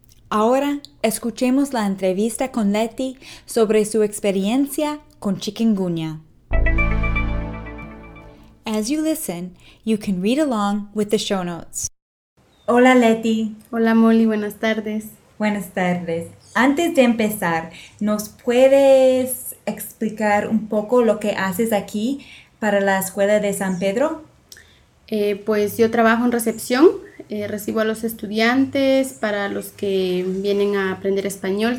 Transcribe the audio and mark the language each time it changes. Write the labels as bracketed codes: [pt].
[es] Ahora, escuchemos la entrevista con Leti sobre su experiencia con chikungunya. [en] As you listen, you can read along with the show notes. [es] Hola, Leti. Hola, Molly. Buenas tardes. Buenas tardes. Antes de empezar, ¿nos puedes explicar un poco lo que haces aquí para la escuela de San Pedro? Pues yo trabajo en recepción. Recibo a los estudiantes para los que vienen a aprender español.